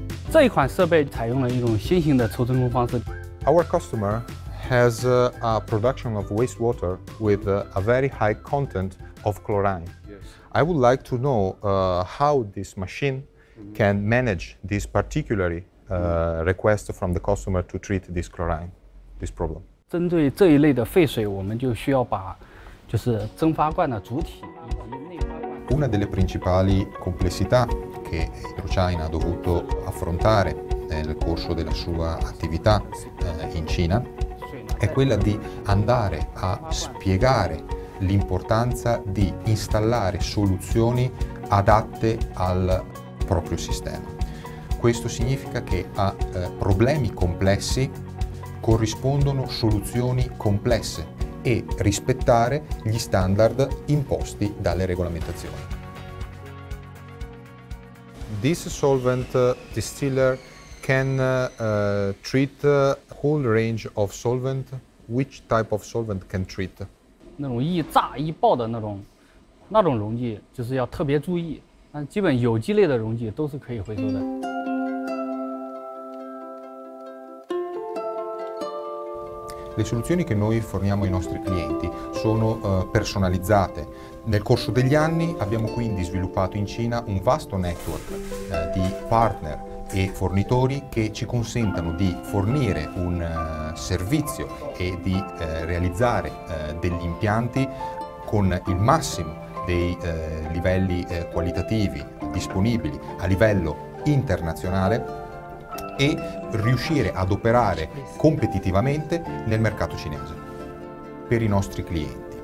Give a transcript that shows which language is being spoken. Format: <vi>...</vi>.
<zh>这一款设备采用了一种新型的抽真空方式。</zh> <en>Our customer has a production of wastewater with a very high content of chlorine. I would like to know how this machine can manage this particular request from the customer to treat this chlorine, this problem.</en> <zh>针对这一类的废水，我们就需要把就是蒸发罐的主体。</zh> <it>Una delle principali complessità che HydroChina ha dovuto affrontare nel corso della sua attività in Cina è quella di andare a spiegare l'importanza di installare soluzioni adatte al proprio sistema. Questo significa che a problemi complessi corrispondono soluzioni complesse e rispettare gli standard imposti dalle regolamentazioni.</it> <en>This solvent distiller can treat a whole range of solvent. Which type of solvent can treat?</en> <zh>那种易炸易爆的那种溶剂，就是要特别注意。但基本有机类的溶剂都是可以回收的。</zh> <it>Le soluzioni che noi forniamo ai nostri clienti sono personalizzate. Nel corso degli anni abbiamo quindi sviluppato in Cina un vasto network di partner e fornitori che ci consentano di fornire un servizio e di realizzare degli impianti con il massimo dei livelli qualitativi disponibili a livello internazionale e riuscire ad operare competitivamente nel mercato cinese per i nostri clienti.</it>